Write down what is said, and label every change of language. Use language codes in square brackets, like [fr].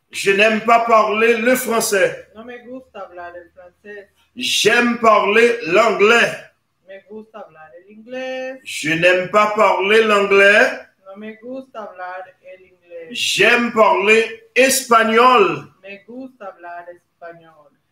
[fr] Je n'aime pas parler le français. [es] No me gusta hablar el francés. [fr] J'aime parler l'anglais. [es] Me gusta hablar el inglés. [fr] Je n'aime pas parler l'anglais. [es] No me gusta hablar el inglés. [fr] J'aime parler espagnol. [es] Me gusta hablar español.